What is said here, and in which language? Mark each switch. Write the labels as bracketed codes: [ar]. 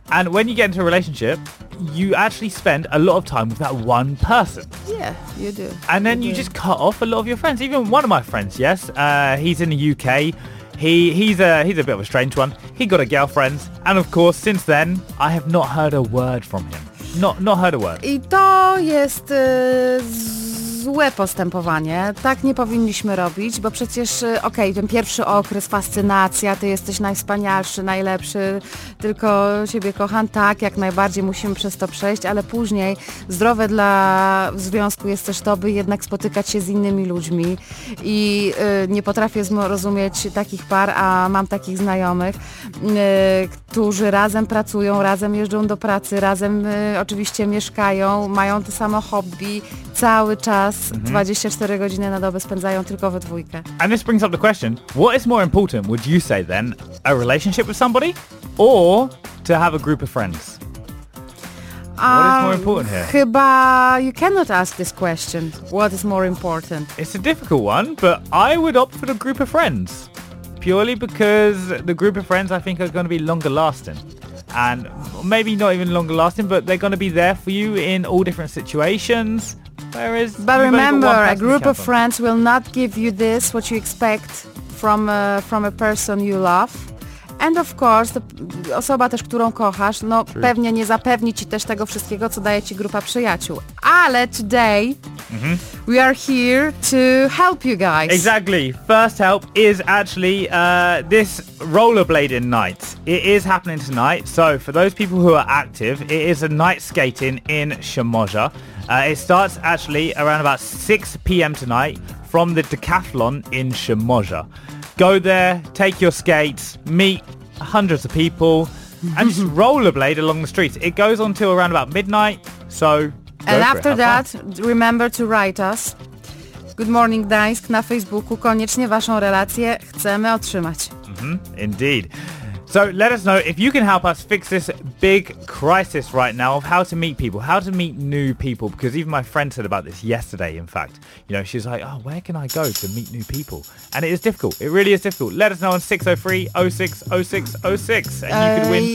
[en] And when you get into a relationship, you actually spend a lot of time with that one person. Yeah, you do. And then you just cut off a lot of your friends. Even one of my friends, yes, he's in the UK. He's a bit of a strange one. He got a girlfriend. And of course, since then, I have not heard a word from him. Not heard a word. [pl] I to jest złe postępowanie. Tak nie powinniśmy robić, bo przecież, okej, ten pierwszy okres, fascynacja, ty jesteś najwspanialszy, najlepszy, tylko siebie kocham, tak, jak najbardziej musimy przez to przejść, ale później zdrowe dla związku jest też to, by jednak spotykać się z innymi ludźmi i nie potrafię zrozumieć takich par, a mam takich znajomych, którzy razem pracują, razem jeżdżą do pracy, razem oczywiście mieszkają, mają to samo hobby, cały czas, 24 godziny na dobę spędzają tylko we dwójkę. [en] And this brings up the question, what is more important, would you say then, a relationship with somebody or to have a group of friends? What is more important here? [pl] Chyba [en] you cannot ask this question, what is more important? It's a difficult one, but I would opt for the group of friends. Purely because the group of friends I think are going to be longer lasting. And maybe not even longer lasting, but they're going to be there for you in all different situations. Whereas but remember, a group of friends will not give you this, what you expect from a person you love. And of course, [pl] osoba też, którą kochasz, no [en] true. [pl] Pewnie nie zapewni ci też tego wszystkiego, co daje ci grupa przyjaciół. Ale [en] today, we are here to help you guys. Exactly. First help is actually this rollerblading night. It is happening tonight. So for those people who are active, it is a night skating in Chemosa. It starts actually around about 6 p.m. tonight from the Decathlon in Chemosa. Go there, take your skates, meet hundreds of people, and just rollerblade along the streets. It goes on till around about midnight, so and after that, remember to write us. [pl] Good Morning Gdańsk na Facebooku. Koniecznie waszą relację chcemy otrzymać. [en] Indeed. So let us know if you can help us fix this big crisis right now of how to meet people, how to meet new people. Because even my friend said about this yesterday, in fact. You know, she's like, oh, where can I go to meet new people? And it is difficult. It really is difficult. Let us know on 603-06-06-06 and you could win.